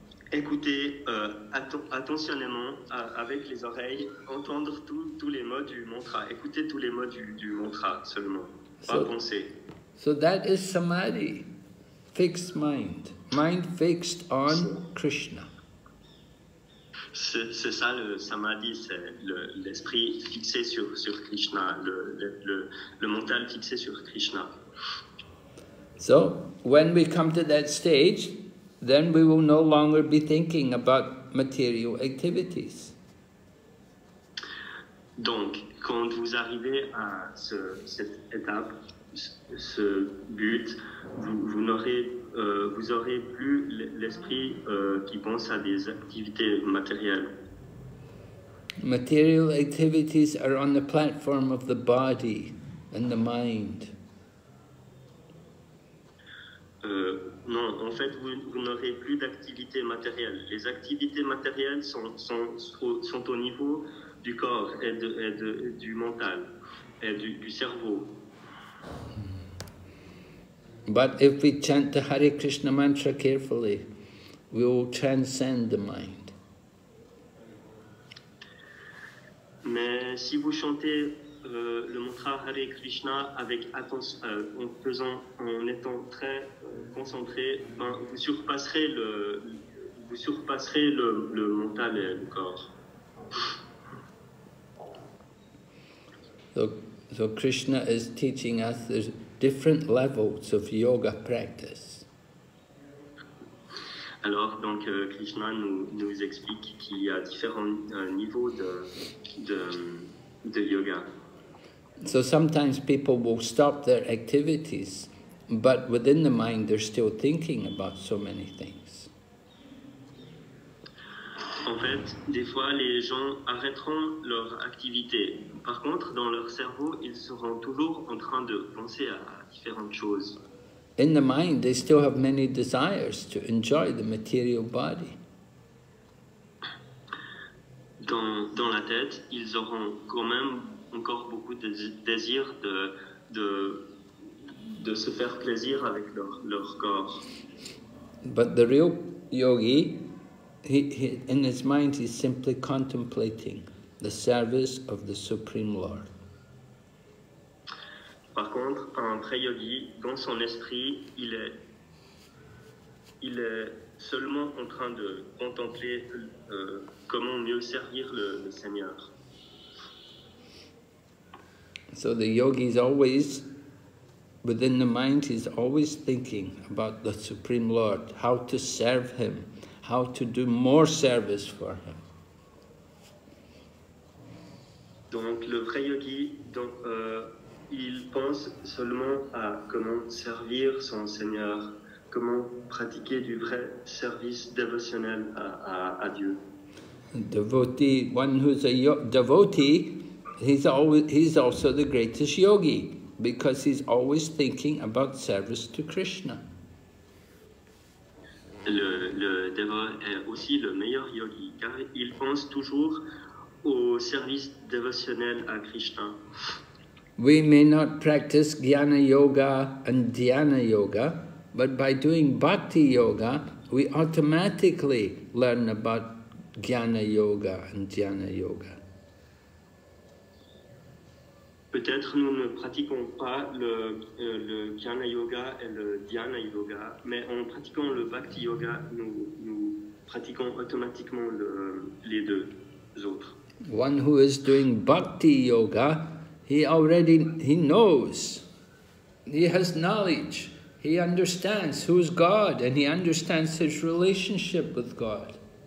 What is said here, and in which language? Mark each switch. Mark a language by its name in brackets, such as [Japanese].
[French] Écouter attentionnellement avec les oreilles, entendre tous les mots du mantra, écouter tous les mots du mantra seulement, pas penser. [English] So that is samadhi, fixed mind, mind fixed on Krishna. [French] C'est ça le samadhi, c'est l'esprit fixé sur Krishna, le mental fixé sur Krishna. [English] So, when we come to that stage, then we will no longer be thinking about material activities. [French] Donc, quand vous arrivez à cette étape, ce but, vous aurez plus l'esprit qui pense à des activités matérielles. [English] Material activities are on the platform of the body and the mind. [French] Non, en fait, vous n'aurez plus d'activités matérielles. Les activités matérielles sont au niveau du corps et du mental et du cerveau. [English] But if we chant the Hare Krishna mantra carefully, we will transcend the mind. [French] Mais si vous chantez le mantra Hare Krishna avec attention, en faisant, en étant très concentré, ben, vous surpasserez le mental et le corps. [English] So Krishna is teaching us the different levels of yoga practice. [French] Alors donc Krishna nous explique qu'il y a différents niveaux de yoga. [English] So sometimes people will stop their activities, but within the mind they're still thinking about so many things. [French] En fait, des fois les gens arrêteront leur activité. Par contre, dans leur cerveau, ils seront toujours en train de penser à différentes choses. [English] In the mind, they still have many desires to enjoy the material body. [French] Dans la tête, ils auront quand même encore beaucoup de désirs de se faire plaisir avec leur corps. [English] But the real yogi, he in his mind, he's simply contemplating the service of the Supreme Lord. [French] Par contre, un vrai yogi, dans son esprit, il est seulement en train de contempler comment mieux servir le Seigneur. [English] So the yogi is always, within the mind, he's always thinking about the Supreme Lord, how to serve him, how to do more service for him. [French] Donc le vrai yogi, il pense seulement à comment servir son Seigneur, comment pratiquer du vrai service dévotionnel à Dieu. [English] Devotee, one who's a devotee, he's also the greatest yogi because he's always thinking about service to Krishna. [French] Le dévot est aussi le meilleur yogi car il pense toujours au service dévotionnel à Krishna. [English] We may not practice jnana yoga and dhyana yoga, but by doing bhakti yoga, we automatically learn about jnana yoga and dhyana yoga. [French] Peut-être nous ne pratiquons pas le jnana yoga et le dhyana yoga, mais en pratiquant le bhakti yoga, nous pratiquons automatiquement les deux autres. [English] One who is doing bhakti yoga, he knows, he has knowledge, he understands who is God and he understands his relationship with God.